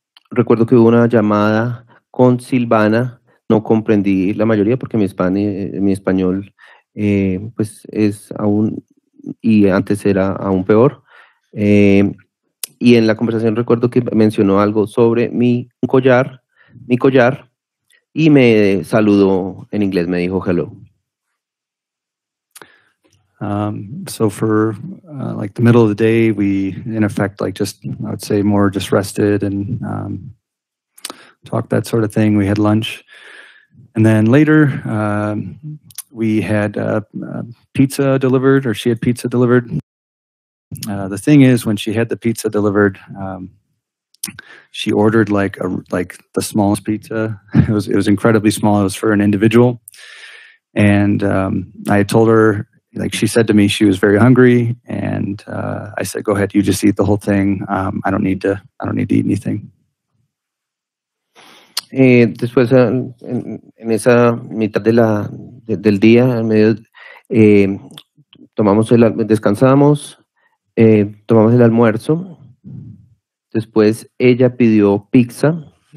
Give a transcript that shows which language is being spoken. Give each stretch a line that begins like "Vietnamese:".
Spanish: Recuerdo que hubo una llamada con Silvana, no comprendí la mayoría porque mi español pues es aún, y antes era aún peor. Y en la conversación recuerdo que mencionó algo sobre mi collar, y me saludó en inglés, me dijo hello.
English: So for like the middle of the day, we in effect like just, I would say more just rested and talked that sort of thing. We had lunch. And then later, we had pizza delivered, or she had pizza delivered. The thing is, when she had the pizza delivered, she ordered like the smallest pizza. It was incredibly small. It was for an individual. And I told her, like she said to me, she was very hungry. And I said, go ahead, you just eat the whole thing. I don't need to eat anything.
Spanish: Después en esa mitad de del día, en medio, tomamos el almuerzo. Después ella pidió pizza,